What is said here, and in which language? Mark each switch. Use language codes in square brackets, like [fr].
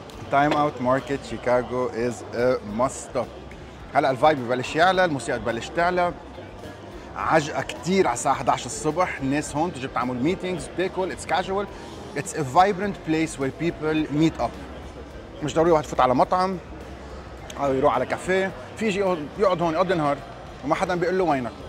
[en] Time Out Market Chicago is a must stop. [ar] هلأ الفايب ببلش يعلى، الموسيقى تبلش تعلى، عجقة كتير على الساعة 11 الصبح، الناس هون تجي بتعمل meetings، بتاكل، [en] it's casual. It's a vibrant place where people meet up. [ar] مش ضروري واحد يفوت على مطعم أو يروح على كافيه، في شيء يقعد هون يقضي النهار وما حدا بيقول له وينك.